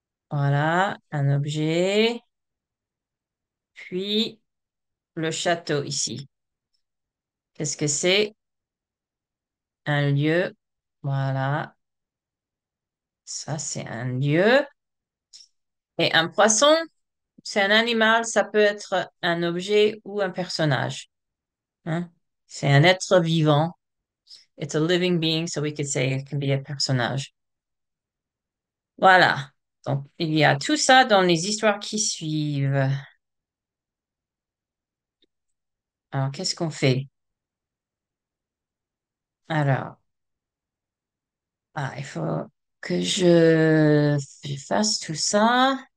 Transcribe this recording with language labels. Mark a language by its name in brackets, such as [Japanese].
[French] Voilà, un objet. Puis le château ici. Qu'est-ce que c'est? Un lieu. Voilà. Ça, c'est un lieu. Et un poisson, c'est un animal, ça peut être un objet ou un personnage. Hein? C'est un être vivant. [English] It's a living being, so we could say it can be a personnage. [French] Voilà. Donc, il y a tout ça dans les histoires qui suivent. Alors, qu'est-ce qu'on fait? Alors, ah, il faut que je fasse tout ça.